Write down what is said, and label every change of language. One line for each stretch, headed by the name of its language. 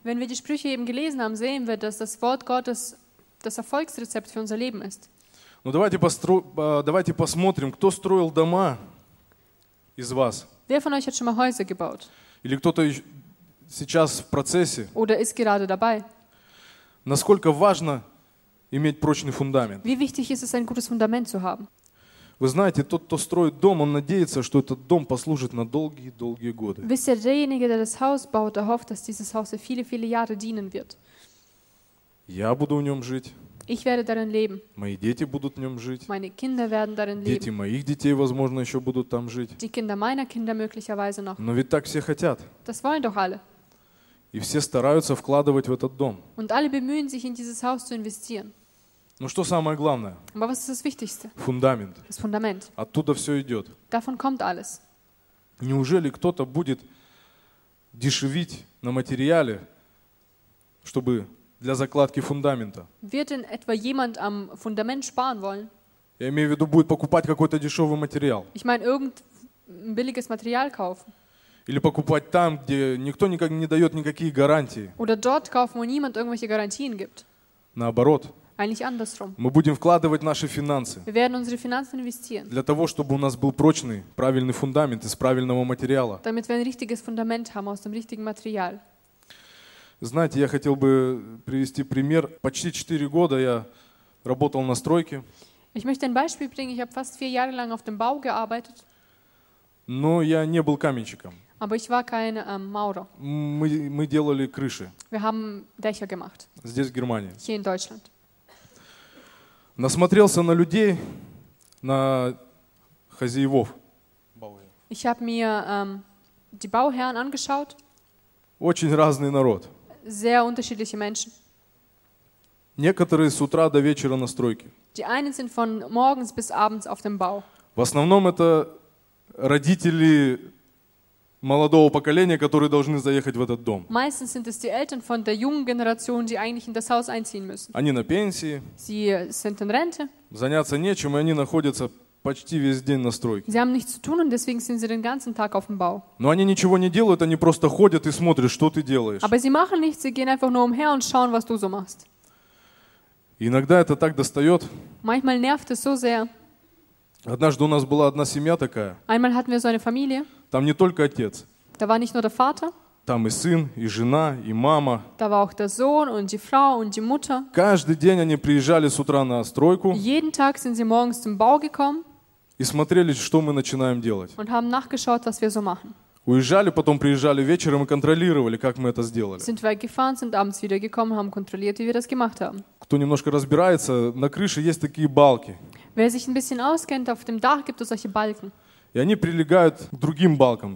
German: Wenn wir die Sprüche eben gelesen haben, sehen wir, dass das Wort Gottes das Erfolgsrezept für unser Leben ist.
Russian: Ну давайте посмотрим, кто строил дома из вас.
German: Wer von euch hat schon mal Häuser gebaut?
Russian: Или кто-то сейчас в процессе?
German: Oder ist gerade dabei?
Russian: Насколько важно иметь прочный фундамент?
German: Wie wichtig ist es, ein gutes Fundament zu haben?
Russian: Вы знаете, тот, кто строит дом, он надеется, что этот дом послужит на долгие-долгие годы.
German: Wisst ihr, derjenige, der das Haus baut, erhofft, dass dieses Haus für viele, viele Jahre dienen wird.
Russian: Я буду в нем жить.
German: Ich werde darin leben.
Russian: Мои дети будут в нем жить.
German: Meine Kinder werden darin
Russian: дети
German: leben.
Russian: Моих детей, возможно, еще будут там жить.
German: Die Kinder meiner Kinder möglicherweise noch.
Russian: Но ведь так все хотят.
German: Das wollen doch alle.
Russian: И все стараются вкладывать в этот дом.
German: Und alle bemühen sich, in dieses Haus zu investieren.
Russian: Ну что самое главное?
German: Aber was ist das Wichtigste?
Russian: Фундамент.
German: Das Fundament.
Russian: Оттуда все идет.
German: Davon kommt alles.
Russian: Неужели кто-то будет дешевить на материале, чтобы для закладки фундамента?
German: Wird denn etwa jemand am Fundament sparen wollen?
Russian: Я имею в виду, будет покупать какой-то дешевый материал.
German: Ich meine, irgendein billiges Material kaufen.
Russian: Или покупать там, где никто никак не дает никакие гарантии.
German: Oder dort kaufen, wo niemand irgendwelche Garantien gibt.
Russian: Наоборот.
German: Eigentlich andersrum.
Russian: Мы будем вкладывать наши финансы.
German: Wir werden unsere Finanzen investieren.
Russian: Для того, чтобы у нас был прочный, правильный фундамент из правильного материала.
German: Damit wir ein richtiges Fundament haben aus dem richtigen Material.
Russian: Знаете, я хотел бы привести пример. Почти 4 года я работал на стройке.
German: Ich möchte ein Beispiel bringen. Ich habe fast 4 Jahre lang auf dem Bau gearbeitet.
Russian: Но я не был каменщиком.
German: Aber ich war kein Maurer.
Russian: Мы делали крыши.
German: Wir haben Dächer gemacht.
Russian: Здесь, в Германии.
German: Hier in Deutschland.
Russian: Насмотрелся на людей, на хозяевов.
German: Ich habe mir die Bauherren angeschaut.
Russian: Очень разный народ.
German: Sehr unterschiedliche Menschen.
Russian: Некоторые с утра до вечера на стройке.
German: Die einen sind von morgens bis abends auf dem Bau.
Russian: В основном это родители молодого поколения, которые должны заехать в этот дом.
German: Meistens sind es die Eltern von der jungen Generation, die eigentlich in das Haus einziehen müssen.
Russian: Они на пенсии.
German: Sie sind in Rente.
Russian: Заняться нечем, и они находятся почти весь день на стройке.
German: Sie haben nichts zu tun und deswegen sind sie den ganzen Tag auf dem Bau.
Russian: Но они ничего не делают, они просто ходят и смотрят, что ты делаешь.
German: Aber sie machen nichts, sie gehen einfach nur umher und schauen, was du so machst.
Russian: Иногда это так достает.
German: Manchmal nervt es so sehr.
Russian: Однажды у нас была одна семья такая.
German: Einmal hatten wir so eine Familie.
Russian: Там не только отец.
German: Da war nicht nur der Vater.
Russian: Там и сын, и жена, и мама.
German: Da war auch der Sohn und die Frau und die Mutter.
Russian: Каждый день они приезжали с утра на стройку.
German: Jeden Tag sind sie morgens zum Bau gekommen.
Russian: И смотрели, что мы начинаем делать.
German: Und haben nachgeschaut, was wir so machen.
Russian: Уезжали, потом приезжали вечером и контролировали, как мы это сделали.
German: Sind weggefahren, sind abends wieder gekommen, haben kontrolliert, wie wir das gemacht haben.
Russian: Кто немножко разбирается, на крыше есть такие балки.
German: Wer sich ein bisschen auskennt, auf dem Dach gibt es solche Balken.
Russian: И они прилегают к другим балкам.